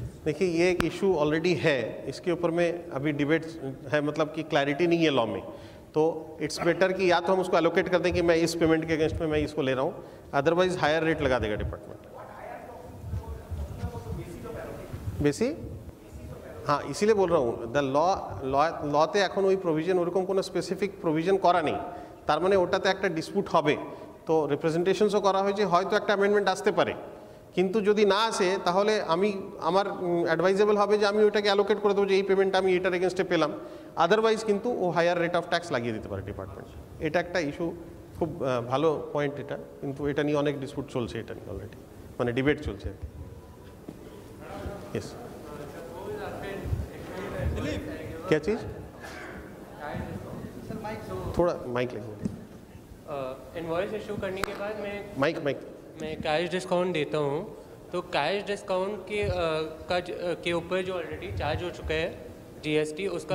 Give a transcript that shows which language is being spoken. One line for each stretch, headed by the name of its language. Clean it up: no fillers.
Hindi: देखिए ये एक issue already है, इसके ऊपर में अभी debates है, मतलब कि clarity नहीं है law में. तो इट्स बेटर कि या तो हम उसको एलोकेट कर दें कि मैं इस पेमेंट के अगेंस्ट में मैं इसको ले रहा हूँ, अदरवाइज हायर रेट लगा देगा डिपार्टमेंट. बेसी हाँ इसीलिए बोल रहा हूँ द लॉ लॉते
Bangla: এখন ওই প্রভিজন ওরকম কোনো স্পেসিফিক প্রভিজন করা নেই, তার মানে ওটাতে একটা ডিসপিউট হবে. তো রিপ্রেজেন্টেশনসও করা হয়েছে, হয়তো একটা অ্যামেন্ডমেন্ট আসতে পারে, কিন্তু যদি না আসে তাহলে আমি আমার অ্যাডভাইজেবল হবে যে আমি ওইটাকে অ্যালোকেট করে দেবো যে এই পেমেন্ট আমি এটার এগেনস্টে পেলাম, আদারওয়াইজ কিন্তু ও হায়ার রেট অফ ট্যাক্স লাগিয়ে দিতে পারে ডিপার্টমেন্ট. এটা একটা ইস্যু, খুব ভালো পয়েন্ট এটা, কিন্তু এটা নিয়ে অনেক ডিসপিউট চলছে, এটা নিয়ে অলরেডি মানে ডিবেট চলছে.
Hindi: ইয়েস क्या चीज सर माइक थोड़ा माइक ले इनवॉइस इशू करने के बाद मैं माइक माइक मैं कैश डिस्काउंट देता हूँ, तो कैश डिस्काउंट के के ऊपर जो ऑलरेडी चार्ज हो चुका है जीएसटी उसका